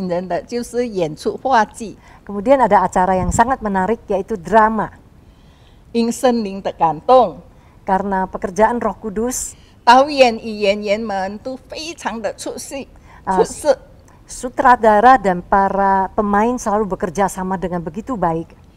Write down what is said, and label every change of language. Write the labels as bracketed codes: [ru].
[zh] 然后有一个节目更吸引人的就是演出话剧. [id] Kemudian ada acara yang sangat menarik yaitu drama. [zh] 因圣灵的感动. [id] Karena pekerjaan Roh Kudus. [zh] 导演与演员们都非常的出色. [id] Sutradara dan para pemain selalu bekerja sama dengan begitu baik.